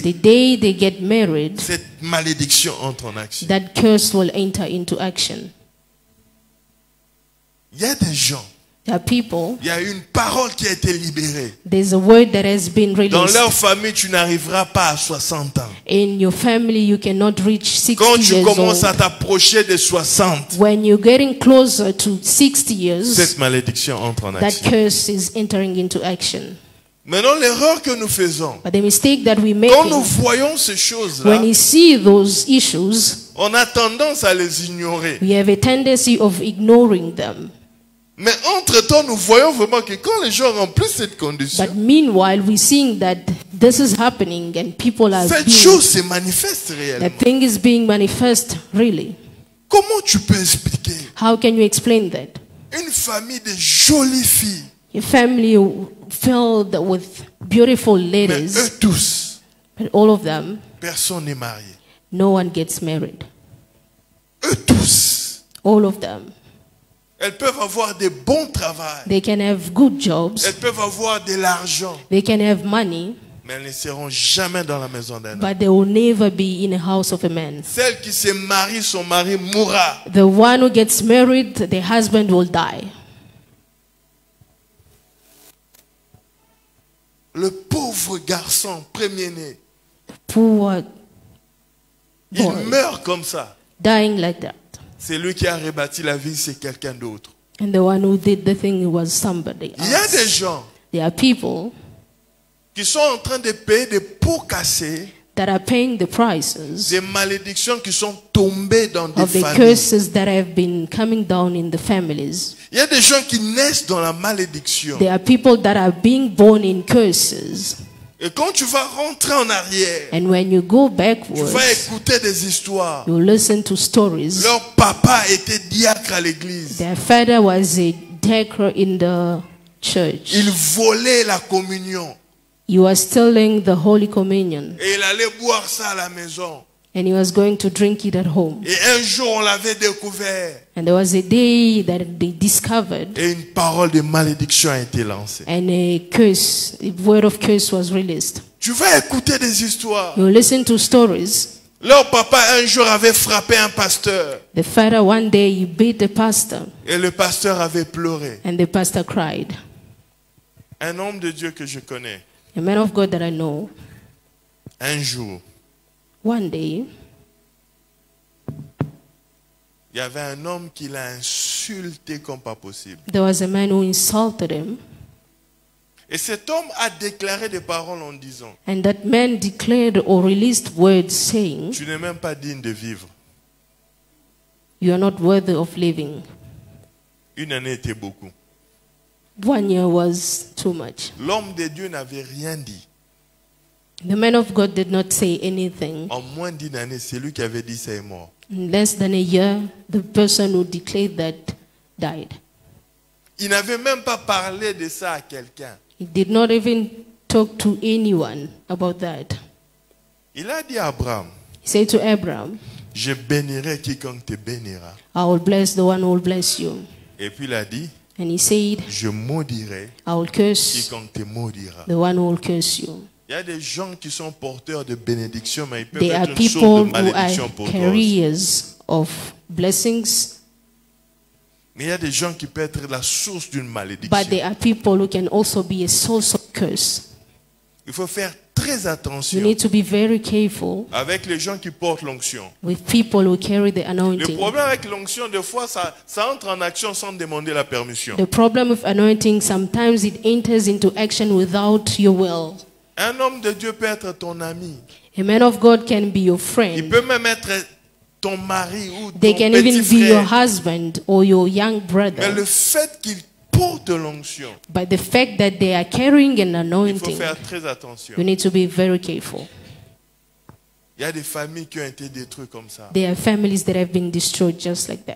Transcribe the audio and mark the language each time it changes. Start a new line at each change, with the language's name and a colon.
English: The day they get married.
French: Cette malédiction entre en action.
English: That curse will enter into action.
French: Il y a des gens.
English: There are people.
French: Il y a une parole qui a été libérée.
English: There's a word that has been released.
French: Dans leur famille, tu n'arriveras pas à 60 ans.
English: In your family, you cannot reach 60 years old.
French: Quand tu commences à t'approcher de 60,
English: when you're getting closer to 60 years,
French: cette malédiction entre en action.
English: That curse is entering into action.
French: Maintenant, l'erreur que nous faisons,
English: but the mistake that we make,
French: quand nous voyons ces choses-là,
English: when you see those issues,
French: on a tendance à les ignorer.
English: We have a tendency of ignoring them.
French: Mais entre-temps, nous voyons vraiment que quand les gens remplissent cette condition,
English: but meanwhile, we seeing that this is happening and people are
French: cette chose se manifeste réellement.
English: The thing is being manifest really.
French: Comment tu peux expliquer?
English: How can you explain that?
French: Une famille de jolies filles.
English: A family filled with beautiful ladies.
French: Mais eux tous.
English: But all of them.
French: Personne n'est marié.
English: No one gets married.
French: Eux tous.
English: All of them.
French: Elles peuvent avoir des bons travaux.
English: They can have good jobs.
French: Elles peuvent avoir de l'argent.
English: They can have money.
French: Mais elles ne seront jamais dans la maison d'un homme.
English: But they will never be in a house of a man.
French: Celle qui se marie, son mari mourra.
English: The one who gets married, the husband will die.
French: Le pauvre garçon premier-né.
English: Poor boy.
French: Il meurt comme ça.
English: Dying like that.
French: C'est lui qui a rebâti la vie, c'est quelqu'un d'autre.
English: And the one who did the thing was somebody else.
French: Il y a des gens.
English: There are people
French: qui sont en train de payer des pots cassés.
English: That are paying the prices.
French: Des malédictions qui sont tombées dans des familles.
English: Of the curses that have been coming down in the families.
French: Il y a des gens qui naissent dans la malédiction.
English: There are people that are being born in curses.
French: Et quand tu vas rentrer en arrière,
English: and when you go backwards,
French: tu vas écouter des histoires.
English: You listen to stories.
French: Leur papa était diacre à l'église.
English: Their father was a diacre in the church.
French: Il volait la communion.
English: He was stealing the holy communion.
French: Et il allait boire ça à la maison.
English: And he was going to drink it at home.
French: Et un jour on l'avait découvert.
English: And there was a day that they discovered.
French: Et une parole de malédiction a été lancée.
English: And a curse, a word of curse was released.
French: Tu vas écouter des histoires.
English: You listen to stories.
French: Leur papa un jour avait frappé un pasteur.
English: The father one day he beat the pastor.
French: Et le pasteur avait pleuré.
English: And the pastor cried.
French: Un homme de Dieu que je connais.
English: A man of God that I know.
French: Un jour.
English: One day,
French: il y avait un homme qui l'a insulté comme pas possible.
English: There was a man who insulted him.
French: Et cet homme a déclaré des paroles en disant,
English: and that man declared or released words saying,
French: tu n'es même pas digne de vivre.
English: You are not worthy of living.
French: Une année était beaucoup.
English: One year was too much.
French: L'homme de Dieu n'avait rien dit.
English: The man of God did not say anything.
French: En moins d'une année, c'est lui qui avait dit ça est mort.
English: In less than a year, the person who declared that died.
French: Il n'avait même pas parlé de ça à quelqu'un.
English: He did not even talk to anyone about that.
French: Il a dit à Abraham,
English: he said to Abraham,
French: je bénirai quiconque te bénira.
English: I will bless the one who will bless you.
French: Et puis il a dit,
English: and he said,
French: je maudirai,
English: I will curse
French: quiconque te maudira.
English: The one who will curse you.
French: Il y a des gens qui sont porteurs de bénédictions, mais ils peuvent être une source de malédiction pour toi.
English: There are people who are carriers of blessings.
French: Mais il y a des gens qui peuvent être la source d'une malédiction.
English: But there are people who can also be a source of curse.
French: Il faut faire très attention.
English: You need to be very careful.
French: Avec les gens qui portent l'onction.
English: With people who carry the anointing.
French: Le problème avec l'onction, des fois, ça entre en action sans demander la permission.
English: The problem with anointing, sometimes it enters into action without your will.
French: Un homme de Dieu peut être ton ami.
English: A man of God can be your friend.
French: Il peut même être ton mari ou ton petit frère.
English: They can even be your husband or your young brother.
French: Mais le fait qu'il porte l'onction.
English: By the fact that they are carrying an anointing.
French: Il faut faire très attention.
English: You need to be very careful.
French: Il y a des familles qui ont été détruites comme ça.
English: There are families that have been destroyed just like that.